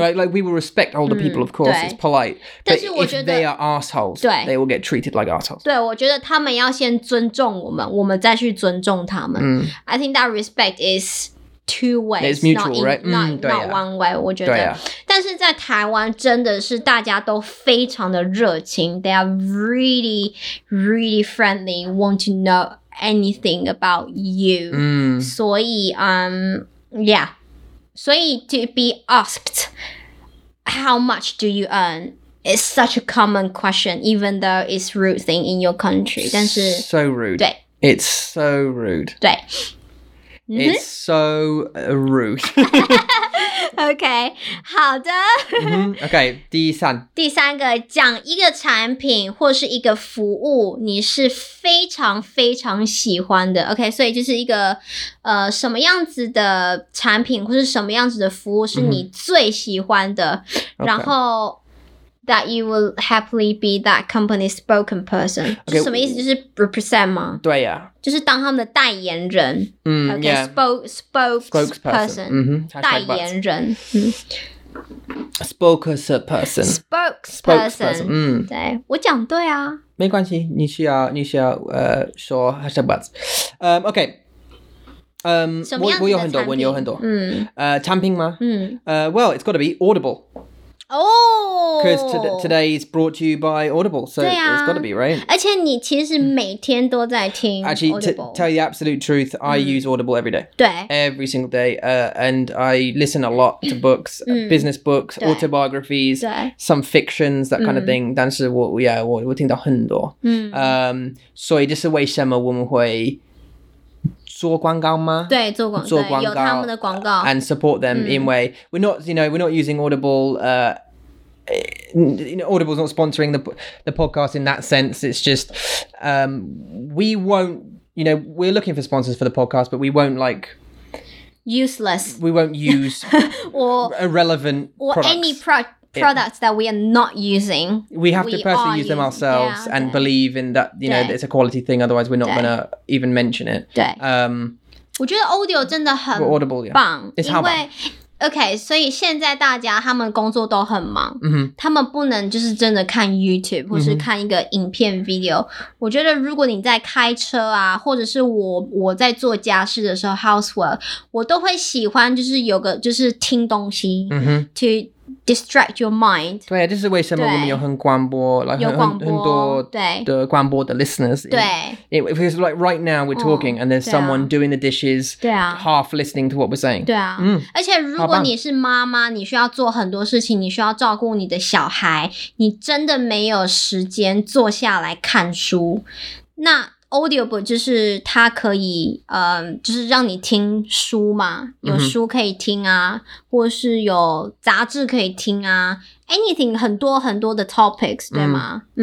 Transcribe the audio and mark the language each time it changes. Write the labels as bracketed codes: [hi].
[en] like we will respect older people, of course, it's polite. But [zh] 但是我觉得 [en] if they are assholes, they will get treated like assholes. [zh] 对，我觉得他们要先尊重我们，我们再去尊重他们。 Mm. [en] I think that respect is two ways, it's mutual, not in, right? Not one way. [zh] 我觉得，对啊、但是在台湾真的是大家都非常的热情 ， [en] they are really, really friendly, want to know anything about you. [zh] 所以yeah. 所以 [en] to be asked how much do you earn is such a common question, even though it's rude thing in your country. So rude. [zh] 对 [en] It's so rude. [zh] 对 [en] It's so rude. Okay, [zh] 好的 Okay, 第三个讲一个产品或是一个服务你是非常非常喜欢的 [en] Okay, [zh] 所以就是一个什么样子的产品或是什么样子的服务是你最喜欢的、 [en] mm-hmm. [zh] 然后、 [en] okay. that you will happily be that company's spoken person okay, [zh] 就什么意思就是 represent 吗对呀、啊、就是当他们的代言人、嗯、 [en] Okay, spokesperson、 mm-hmm. [zh] 代言人、嗯、 [en] spokesperson spokesperson、 [zh] 嗯、对我讲对啊没关系你需要说 [en] hashtag buzz、okay [zh] 什么样子的产品我有很多、嗯、产品吗、嗯 [en] well it's got to be Audible oh because today is brought to you by Audible so、 [zh] 啊、 [en] it's got to be right [zh] 而且你其实每天都在听 [en] actually to tell you the absolute truth、嗯、I use Audible every day [zh] 对 [en] every single day and I listen a lot to books、 [zh] 嗯、 [en] business books autobiographies some fictions that kind、嗯、 of thing [zh] 但是我 yeah 我听到很多、嗯、所以这是为什么我们会做广告吗？对，做广告，做广告，有他们的广告。 [en] And support them、嗯、in way we're not, you know, we're not using Audible. You know, Audible's not sponsoring the podcast in that sense. It's just, we won't, you know, we're looking for sponsors for the podcast, but we won't like useless. We won't use or irrelevant or products. Any products that we are not using. We have to personally use them ourselves yeah, and believe in that, you know, it's a quality thing, otherwise we're not going to even mention it. [zh] 我觉得 Audio 真的很棒。 [en] Audible, yeah. It's how [zh] OK, 所以现在大家他们工作都很忙、 [en] mm-hmm. [zh] 他们不能就是真的看 YouTube 或是看一个影片 video、mm-hmm. 我觉得如果你在开车啊或者是我在做家事的时候 housework 我都会喜欢就是有个就是听东西、 [en] mm-hmm. to distract your mind. [zh] 对，这是为什么我们有很广播，来很多的广播的 listeners. 对， [en] it, because like right now we're talking and there's someone doing the dishes, half listening to what we're saying. [zh] 对啊，而且如果你是妈妈，你需要做很多事情，你需要照顾你的小孩，你真的没有时间坐下来看书，那Audiobook 就是它可以就是让你听书嘛，有书可以听啊，或是有杂志可以听啊， anything 很多很多的 topics 对吗？